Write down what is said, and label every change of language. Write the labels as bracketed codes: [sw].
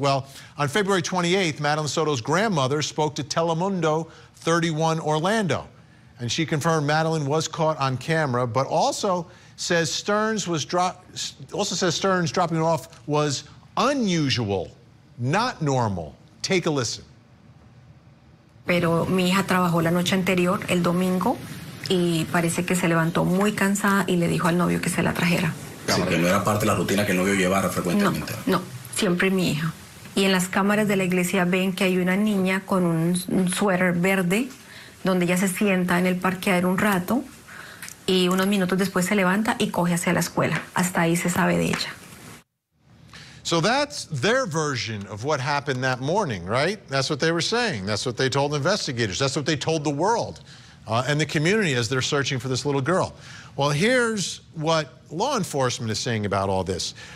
[en] Well, on February 28th, Madeline Soto's grandmother spoke to Telemundo 31 Orlando. And she confirmed Madeline was caught on camera, but also says Sterns dropping off was unusual, not normal. Take a listen. [es] Pero mi hija trabajó la noche anterior, el domingo, y parece que se levantó muy cansada y le dijo al novio que se la trajera. Sí, que no era parte de la rutina que el novio llevara frecuentemente. No, siempre mi hija. Y en las cámaras de la iglesia ven que hay una niña con un suéter verde donde ella se sienta en el parqueadero un rato y unos minutos después se levanta y coge hacia la escuela. Hasta ahí se sabe de ella. [en] So that's their version of what happened that morning, right? That's what they were saying. That's what they told investigators. That's what they told the world and the community as they're searching for this little girl. Well, here's what law enforcement is saying about all this.